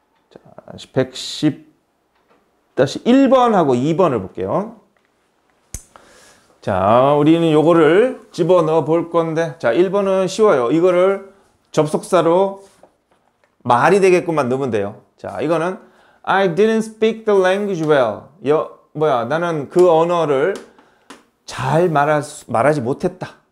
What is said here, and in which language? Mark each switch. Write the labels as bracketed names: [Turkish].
[Korean] 자, 110-1번하고 2번을 볼게요. 자, 우리는 요거를 집어넣어 볼 건데, 자, 1번은 쉬워요. 이거를 접속사로 말이 되게끔만 넣으면 돼요. 자, 이거는 [English] I didn't speak the language well. [Korean] 나는 그 언어를 잘 말하지 못했다.